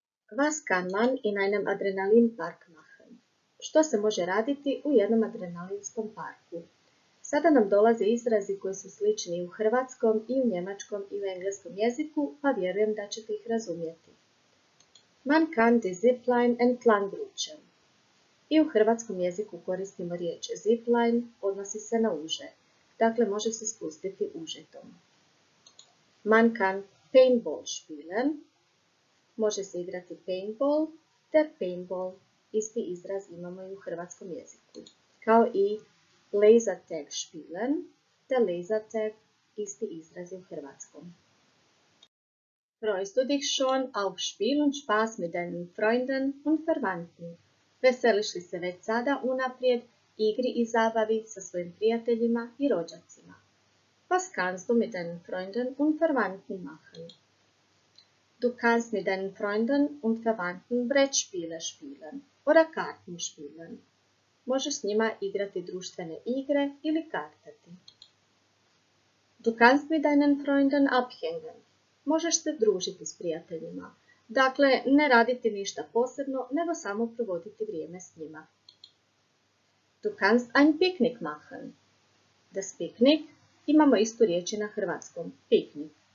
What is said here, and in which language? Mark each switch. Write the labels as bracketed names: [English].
[German] Was kann man in einem Adrenalinpark machen? [Croatian] Što se može raditi u jednom adrenalinskom parku? Sada nam dolaze izrazi koji su slični u hrvatskom i u njemačkom i u engleskom jeziku, pa vjerujem da ćete ih razumjeti. [German] Man kann die zipline entlangrutschen. [Croatian] I u hrvatskom jeziku koristimo riječ zipline, odnosi se na uže. Dakle, može se spustiti užetom. [German] Man kann paintball spielen. [Croatian] Može se igrati paintball, te paintball. Isti izraz imamo i u hrvatskom jeziku. Kao i laser tag spielen, te laser tag, isti izraz u hrvatskom. [German] Freust du dich schon auf Spiel und Spaß mit deinen Freunden und Verwandten? [Croatian] Veseliš li se već sada unaprijed igri i zabavi sa svojim prijateljima i rođacima? [German] Was kannst du mit deinen Freunden und Verwandten machen? Du kannst mit deinen Freunden und Verwandten Brettspiele spielen oder Karten spielen. [Croatian] Možeš s njima igrati društvene igre ili kartati. [German] Du kannst mit deinen Freunden abhängen. [Croatian] Možeš se družiti s prijateljima. Dakle, ne raditi ništa posebno, nego samo provoditi vrijeme s njima. [German] Du kannst ein Picknick machen. [Croatian] Das Picknick, imamo istu riječ na hrvatskom, piknik.